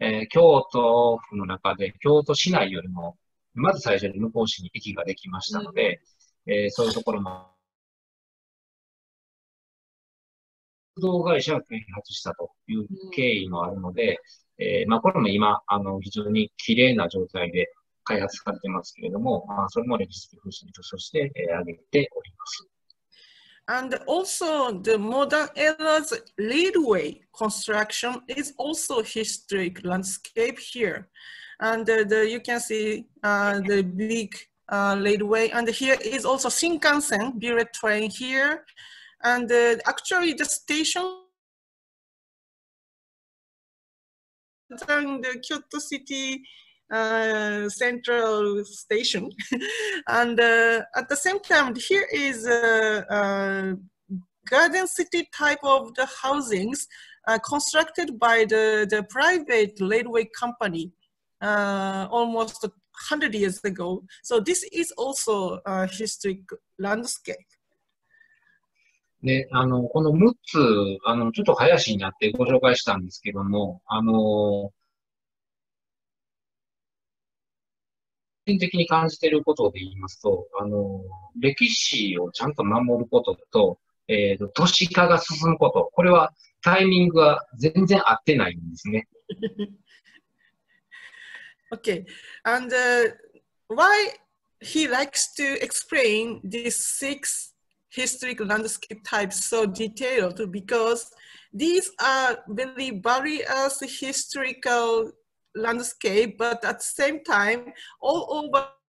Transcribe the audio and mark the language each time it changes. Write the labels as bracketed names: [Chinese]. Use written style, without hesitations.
[Japanese] 京都府の中で、京都市内よりも、まず最初に向こう市に駅ができましたので、うん、そういうところも、鉄道会社が開発したという経緯もあるので、うんまあ、これも今、非常に綺麗な状態で開発されてますけれども、まあ、それも歴史的風刺として、挙げております。 [English] And also the modern era's railway construction is also historic landscape here. And you can see the big railway. And here is also Shinkansen, bullet train here. And actually the station... The Kyoto City Central Station. And at the same time, here is a garden city type of the housings constructed by the private railway company almost 100 years ago. So this is also a historic landscape. [Japanese] ね、この6つ、ちょっと林になってご紹介したんですけども、個人的に感じていることで言いますと、歴史をちゃんと守ることと、都市化が進むこと、これはタイミングが全然合ってないんですね。 [English] Okay. And, why he likes to explain these six historic landscape types so detailed because these are very various historical landscape, but at the same time, all over.